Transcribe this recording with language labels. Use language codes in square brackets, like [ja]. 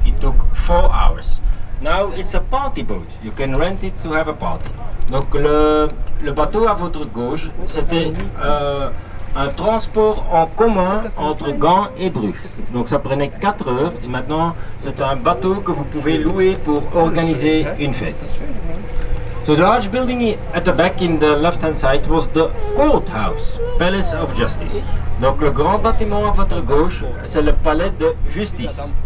[en] It took 4 hours. Now it's a party boat. You can rent it to have a party. [fr] Donc le bateau à votre gauche, c'était un transport en commun entre Ghent et Bruges. Donc ça prenait 4 heures et maintenant c'est un bateau que vous pouvez louer pour organiser une fête. [en] So the large building at the back in the left hand side was the courthouse, Palace of Justice. [fr] Donc le grand bâtiment à votre gauche, c'est le Palais de Justice.